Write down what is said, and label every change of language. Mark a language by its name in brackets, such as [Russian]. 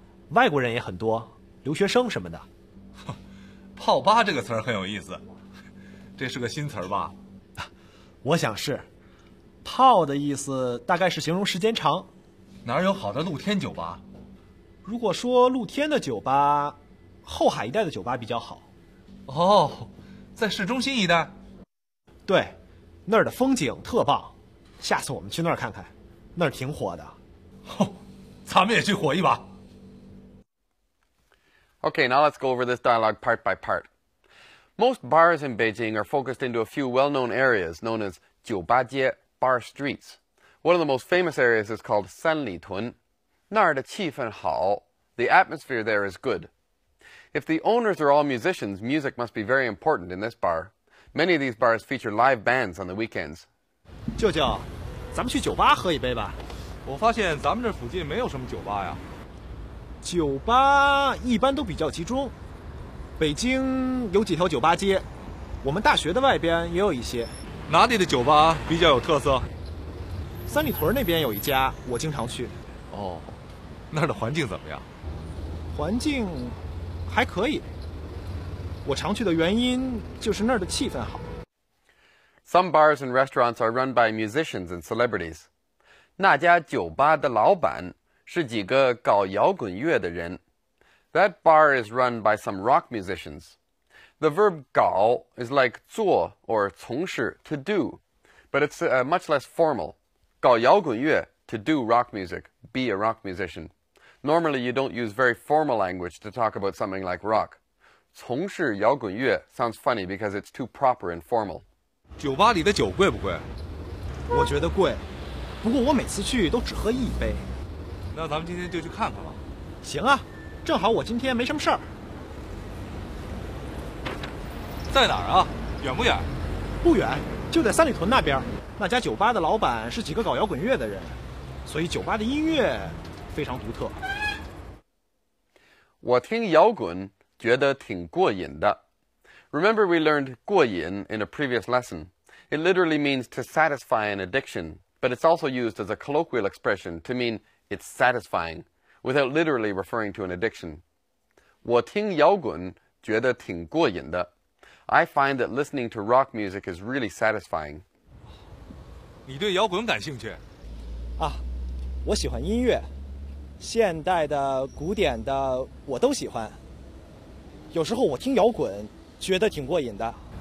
[Chinese] 外国人也很多，留学生什么的。泡吧这个词儿很有意思，这是个新词儿吧？我想是，泡的意思大概是形容时间长。哪儿有好的露天酒吧？如果说露天的酒吧，后海一带的酒吧比较好。哦，在市中心一带？对，那儿的风景特棒，下次我们去那儿看看，那儿挺火的。咱们也去火一把。 [English] Okay, now let's go over this dialogue part by part. Most bars in Beijing are focused into a few well-known areas known as 酒吧街, bar streets. One of the most famous areas is called 三里屯. [Chinese] 那儿的气氛好, [English] the atmosphere there is good. If the owners are all musicians, music must be very important in this bar. Many of these bars feature live bands on the weekends. [Chinese] 舅舅, 咱们去酒吧喝一杯吧。我发现咱们这附近没有什么酒吧呀。酒吧一般都比较集中, 北京有几条酒吧街, 我们大学的外边也有一些。哪里的酒吧比较有特色? 三里屯那边有一家, 我经常去。哦, 那儿的环境怎么样? 环境还可以, 我常去的原因就是那儿的气氛好。 [English] Some bars and restaurants are run by musicians and celebrities. [Chinese] 那家酒吧的老板 是几个搞摇滚乐的人. [English] That bar is run by some rock musicians. The verb 搞 is like 做 or 从事, to do, but it's much less formal. [Chinese] 搞摇滚乐, [English] to do rock music, be a rock musician. Normally, you don't use very formal language to talk about something like rock. [Chinese] 从事摇滚乐 [English] sounds funny because it's too proper and formal. [Chinese] 酒吧里的酒贵不贵? 我觉得贵, 不过我每次去都只喝一杯。那咱们今天就去看看吧。行啊, 正好我今天没什么事儿。在哪儿啊?远不远? 不远, 就在三里屯那边。那家酒吧的老板是几个搞摇滚乐的人, 所以酒吧的音乐非常独特。我听摇滚觉得挺过瘾的。 [English] Remember we learned 过瘾 in a previous lesson. It literally means to satisfy an addiction, but it's also used as a colloquial expression to mean it's satisfying, without literally referring to an addiction. [Chinese] 我听摇滚觉得挺过瘾的。 [English] I find that listening to rock music is really satisfying. [Chinese] 你对摇滚感兴趣？啊，我喜欢音乐，现代的、古典的，我都喜欢。有时候我听摇滚，觉得挺过瘾的。